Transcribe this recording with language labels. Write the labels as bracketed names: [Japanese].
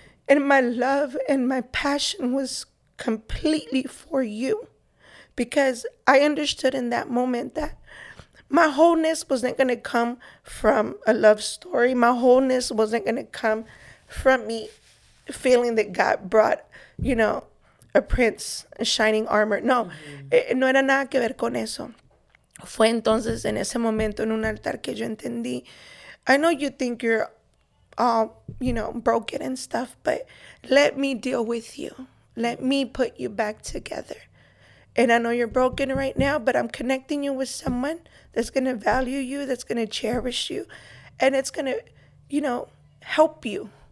[English] And my love and my passion was completely for you, because I understood in that moment that my wholeness wasn't going to come from a love story. My wholeness wasn't going to come from me feeling that God brought, you know, a prince in shining armor. [Spanish] No, no era nada que ver con eso. Fue entonces en ese momento en un altar que yo entendí. [English] I know you think you're all, you know, broken and stuff, but let me deal with you. Let me put you back together. And I know you're broken right now, but I'm connecting you with someone that's going to value you, that's going to cherish you, and it's going to, you know, help you.